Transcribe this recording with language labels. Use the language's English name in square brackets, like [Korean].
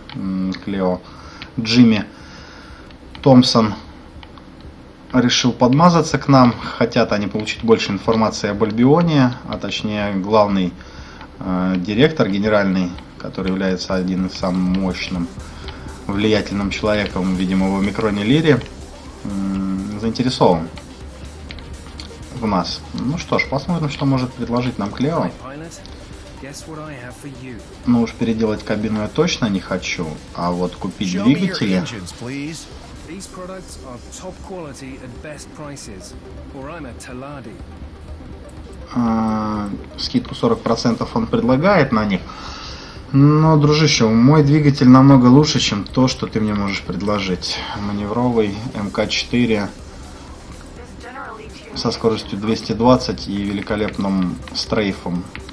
[Russian] Клео Джимми Томпсон решил подмазаться к нам, хотят они получить больше информации об Альбионе, а точнее главный директор, генеральный, который является одним из самых мощным, влиятельным человеком, видимо, в Омикроне Лире, заинтересован в нас. Ну что ж, посмотрим, что может предложить нам Клео. Ну уж переделать кабину я точно не хочу, а вот купить двигатели... [English] These products are top quality at best prices, or I'm a Taladi. [Russian] Скидку 40% он предлагает на них. Но, дружище, мой двигатель намного лучше, чем то, что ты мне можешь предложить. Маневровый МК-4 со скоростью 220 и великолепным стрейфом.